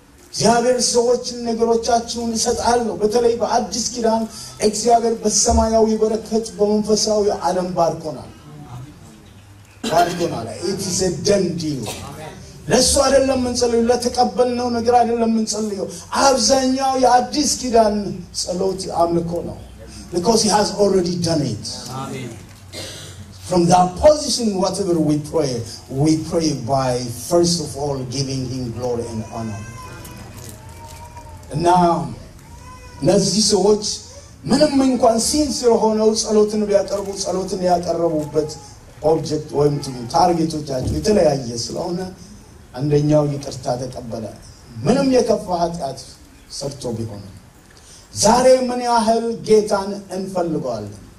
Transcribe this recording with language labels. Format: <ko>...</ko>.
<am>እግዚአብሔር ሰዎችን ነገሮቻቸውን ይሰጣል ነው። በተለይ በአዲስ ኪዳን እግዚአብሔር በሰማያዊ በረከት በመንፈሳዊ ዓለም ባርኮናል።</am> <en>It is a done deal.</en> <am>ለሱ አይደለም እንጸልየው፣ ለተቀበልነው ነገር አይደለም እንጸልየው። አብዛኛው የአዲስ ኪዳን ጸሎት አምልኮ ነው።</am> <en>Because he has already done it. Amen. From that position whatever we pray by first of all giving him glory and honor.</en> <am>Now, ለዚህ ሰዎች ምንም እንኳን ሲንሰር ሆነው ጸሎትን ቢያጠርቡ ጸሎትን ያጠረቡበት object ወይም ታርጌቶቻቸው የተለያየ ስለሆነ አንደኛው ይቅርታ ተቀበለ። ምንም የከፋ ኃጢአት ሰርቶ ቢሆን ዛሬ ምን ያህል ጌታን እንፈልጋለን?</am>